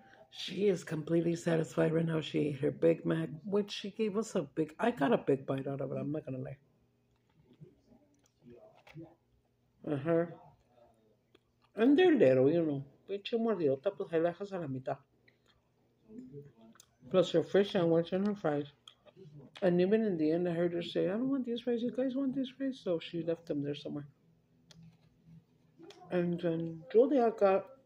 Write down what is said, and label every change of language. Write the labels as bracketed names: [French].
[English] She is completely satisfied right now. She ate her Big Mac, which she gave us a big... I got a big bite out of it. I'm not going to lie. Uh-huh. And they're little, you know. [Spanish] Pinche mordidota, pues ahí dejas a la mitad. [English] Plus her fish sandwich and her fries. And even in the end, I heard her say, I don't want these fries. You guys want these fries? So she left them there somewhere. And then Julia got...